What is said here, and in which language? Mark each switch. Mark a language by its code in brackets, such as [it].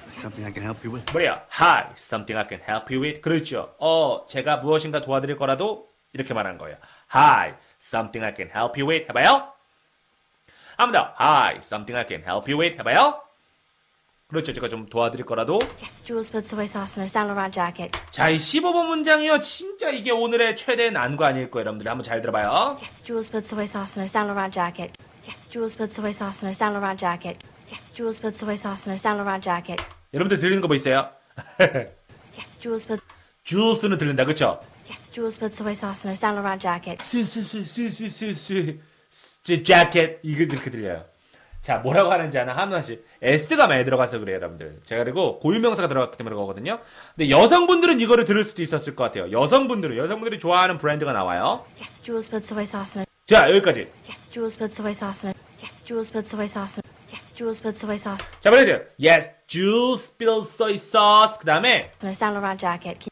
[en] Something I can help you with. [ko] 뭐래요? Hi. [en] Something I can help you with. [ko] 그렇죠. 제가 무엇인가 도와드릴 거라도 이렇게 말한 거예요. [en] Hi. Something I can help you with. [ko] 해봐요. 한 번 더. Hi. [en] Something I can help you with. [ko] 해봐요. 그렇죠. 제가 좀 도와드릴 거라도. [en] Yes. Jules put soy sauce in her Saint Laurent jacket. [ko] 자, 이 15번 문장이요. 진짜 이게 오늘의 최대 난관일 거예요. 여러분들 한번 잘 들어봐요. [en] Yes. Jules put soy sauce in her Saint Laurent jacket. Yes. Jules put soy sauce in her Saint Laurent jacket. Yes, Jules put soy sauce in her Saint Laurent jacket. [ko] 여러분들 들리는 거 보이세요? [en] yes, Jules put. [ko] Jules는 들린다, 그렇죠? [en] Yes, Jules put soy sauce in her Saint Laurent jacket. [ko] 스스스스스스 jacket 이게 이렇게 들려요. 자, 뭐라고 하는지 하나 한 번씩 S가 많이 들어가서 그래요, 여러분들. 제가 그리고 고유명사가 들어갔기 때문에 그거거든요. 근데 여성분들은 이거를 들을 수도 있었을 것 같아요. 여성분들이 좋아하는 브랜드가 나와요. [en] Yes, Jules put soy sauce in her. [ko] 자, 여기까지. [en] Yes, Jules put soy sauce in her. Yes, Jules put soy sauce in her. Yes, Jules spilled soy sauce. [ko] 자, 보세요. [en] Yes, Jules spilled soy sauce. [ko] 그 다음에 [en] in her Saint Laurent jacket.